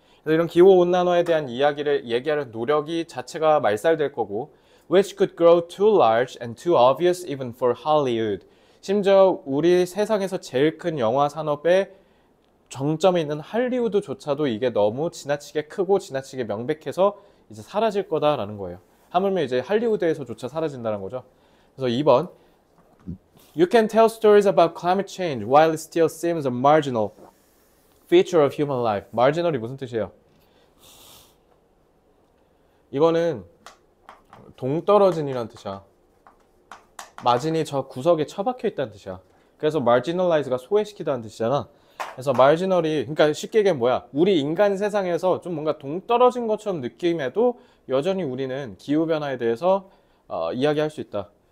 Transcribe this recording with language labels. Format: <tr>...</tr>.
<ko>그래서 이런 기후 온난화에 대한 이야기를 얘기하는 노력이 자체가 말살될 거고,</ko> <en>which could grow too large and too obvious even for Hollywood.</en> <ko>심지어 우리 세상에서 제일 큰 영화 산업의 정점에 있는 할리우드조차도 이게 너무 지나치게 크고 지나치게 명백해서 이제 사라질 거다라는 거예요. 하물며 이제 할리우드에서조차 사라진다는 거죠. 그래서 2번.</ko> <en>You can tell stories about climate change while it still seems a marginal feature of human life.</en> <ko>Marginal이 무슨 뜻이에요? 이거는 동떨어진이란 뜻이야. 마진이 저 구석에 처박혀 있다는 뜻이야. 그래서 marginalize가 소외시키다는 뜻이잖아. 그래서 marginal이, 그러니까 쉽게 얘기하면 뭐야? 우리 인간 세상에서 좀 뭔가 동떨어진 것처럼 느낌에도 여전히 우리는 기후변화에 대해서 이야기할 수 있다.</ko>